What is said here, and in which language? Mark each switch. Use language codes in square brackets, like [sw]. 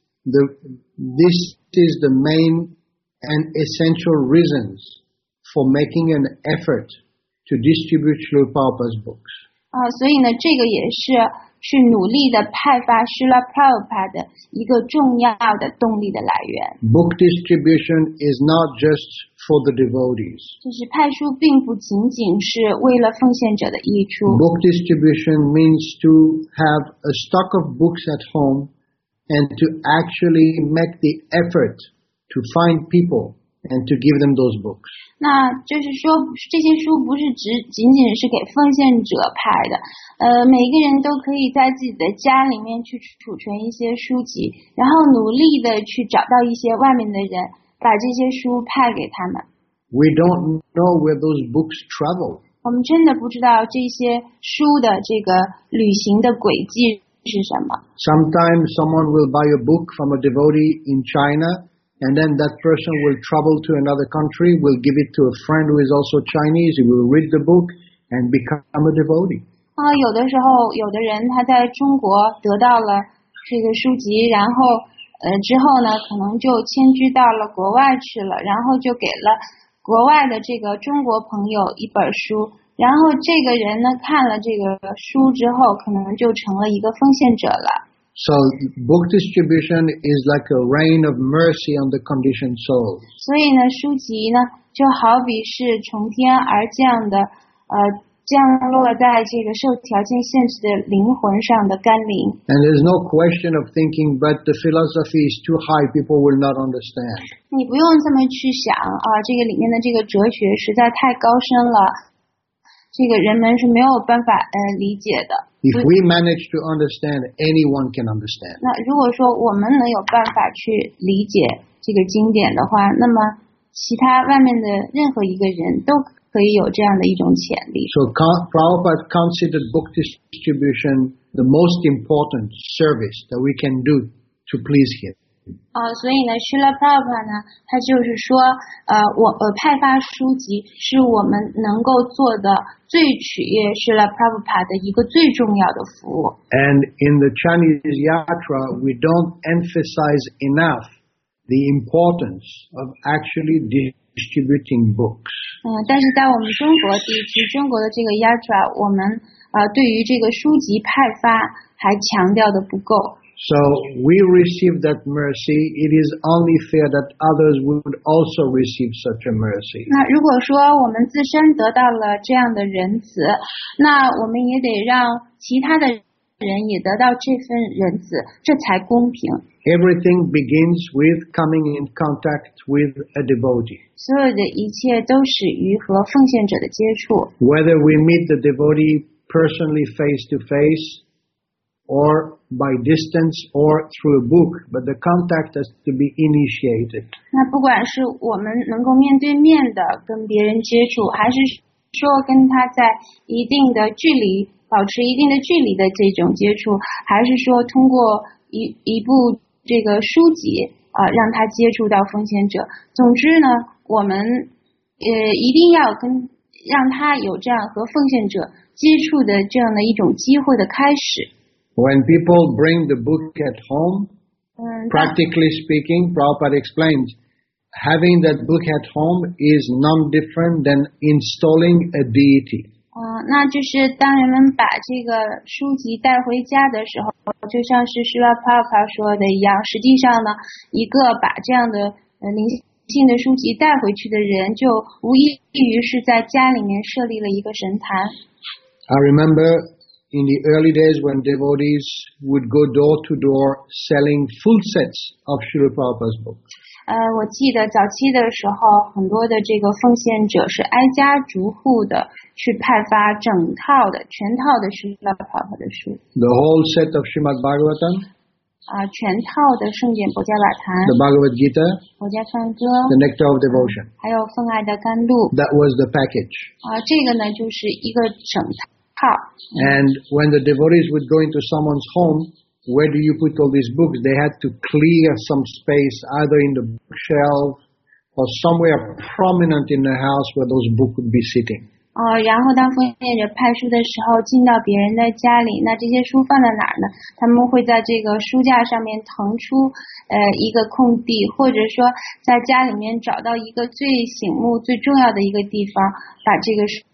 [en] This is the main and essential reasons for making an effort to distribute Srila Prabhupada's books. [zh] 所以呢，这个也是。去努力的派发 Srila Prabhupada 的一个重要的动力的来源。 [en] Book distribution is not just for the devotees. [zh] 就是派书并不仅仅是为了奉献者的益处。 [en] Book distribution means to have a stock of books at home and to actually make the effort to find people. And to give them those books. [zh] 那就是说，这些书不是只仅仅是给奉献者派的。每个人都可以在自己的家里面去储存一些书籍，然后努力的去找到一些外面的人，把这些书派给他们。 [en] We don't know where those books travel. [zh] 我们真的不知道这些书的这个旅行的轨迹是什么。 [en] Sometimes someone will buy a book from a devotee in China. And then that person will travel to another country, will give it to a friend who is also Chinese, he will read the book and become a devotee. [zh] 有的时候有的人他在中国得到了这个书籍，然后之后呢可能就迁居到了国外去了，然后就给了国外的这个中国朋友一本书，然后这个人呢看了这个书之后可能就成了一个奉献者了。 [en] So book distribution is like a rain of mercy on the conditioned soul. [zh] 所以呢，书籍呢就好比是从天而降的，降落在这个受条件限制的灵魂上的甘霖。 [en] And there's no question of thinking, but the philosophy is too high; people will not understand. [zh] 你不用这么去想啊，这个里面的这个哲学实在太高深了，这个人们是没有办法理解的。 [en] If we manage to understand, anyone can understand. [zh] 那如果说我们能有办法去理解这个经典的话，那么其他外面的任何一个人都可以有这样的一种潜力。 [en] So Prabhupada considered book distribution the most important service that we can do to please him. [zh] 所以呢，Srila Prabhupada 呢，他就是说，派发书籍是我们能够做的最取悦Srila Prabhupada 的一个最重要的服务。 [en] And in the Chinese yatra, we don't emphasize enough the importance of actually distributing books. [zh] 但是在我们中国地区，中国的这个yatra，我们对于这个书籍派发还强调的不够。 [en] So we receive that mercy. It is only fair that others would also receive such a mercy. [zh] 那如果说我们自身得到了这样的仁慈，那我们也得让其他的人也得到这份仁慈，这才公平。 [en] Everything begins with coming in contact with a devotee. [zh] 所有的一切都始于和奉献者的接触。 [en] Whether we meet the devotee personally face to face. Or by distance or through a book, but the contact has to be initiated. [zh] 那不管是我们能够面对面的跟别人接触，还是说跟他在一定的距离，保持一定的距离的这种接触，还是说通过一部这个书籍让他接触到奉献者。总之呢，我们一定要跟让他有这样和奉献者接触的这样的一种机会的开始。 [en] When people bring the book at home, practically speaking, Prabhupada explains, having that book at home is none different than installing a deity. [zh] 那就是当人们把这个书籍带回家的时候，就像是Srila Prabhupada说的一样，实际上呢，一个把这样的灵性的书籍带回去的人，就无异于是在家里面设立了一个神坛。 [en] I remember. In the early days when devotees would go door to door selling full sets of Srila Prabhupada's book. [zh] 我记得早期的时候很多的这个奉献者是挨家逐户的去派发整套的全套的 Srila Prabhupada 的书。 [en] The whole set of Srimad Bhagavatam. [zh] 全套的圣典薄伽瓦坛。 [en] The Bhagavad Gita. [zh] 薄伽梵歌。 [en] The Nectar of Devotion. [zh] 还有奉爱的甘露。 [en] That was the package. [zh] 这个呢就是一个整套。 [en] And when the devotees would go into someone's home, where do you put all these books? They had to clear some space either in the bookshelf or somewhere prominent in the house where those books would be sitting. [zh] 然后当奉献者派书的时候进到别人的家里，那这些书放在哪儿呢？他们会在这个书架上面腾出一个空地，或者说在家里面找到一个最醒目、最重要的一个地方，把这个书。